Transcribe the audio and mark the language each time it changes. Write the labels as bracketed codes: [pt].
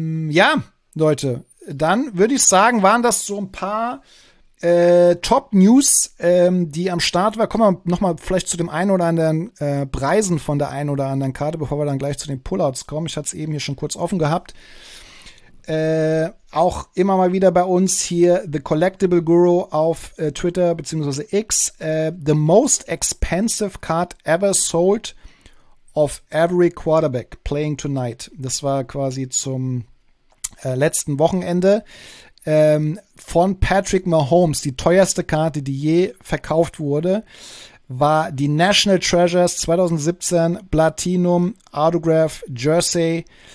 [de] Ja, Leute, dann würde ich sagen, waren das so ein paar Top-News, die am Start war. Kommen wir nochmal vielleicht zu dem einen oder anderen Preisen von der einen oder anderen Karte, bevor wir dann gleich zu den Pullouts kommen. Ich hatte es eben hier schon kurz offen gehabt. Auch immer mal wieder bei uns hier The Collectible Guru auf Twitter bzw. X. [en] The most expensive card ever sold of every quarterback playing tonight. [de] Das war quasi zum letzten Wochenende. Von Patrick Mahomes, die teuerste Karte, die je verkauft wurde, war die National Treasures 2017 Platinum Autograph Jersey.